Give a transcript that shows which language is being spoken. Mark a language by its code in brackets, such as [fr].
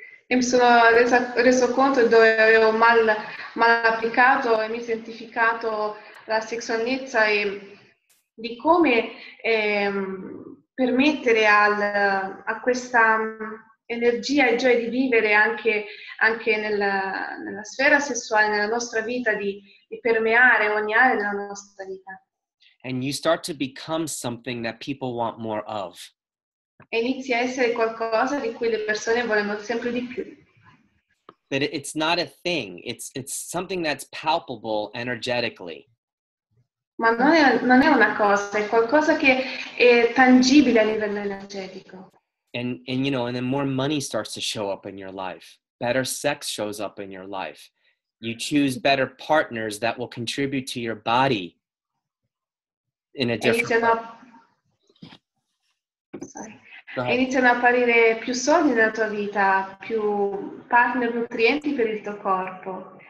[it] E mi sono reso conto di dove avevo mal applicato e mi identificato la sessualità e di come permettere a questa energia e gioia di vivere anche nella sfera sessuale, nella nostra vita, di permeare ogni area della nostra vita. [en] And you start to become something that people want more of. [it] E inizia a essere qualcosa di cui le persone vogliono sempre di più. [en] But it's not a thing. It's something that's palpable energetically. [it] Ma non è una cosa. È qualcosa che è tangibile a livello energetico. [en] And you know, and then more money starts to show up in your life. Better sex shows up in your life. You choose better partners that will contribute to your body in a different way. [it] Iniziano a apparire più soldi nella tua vita, più partner nutrienti per il tuo corpo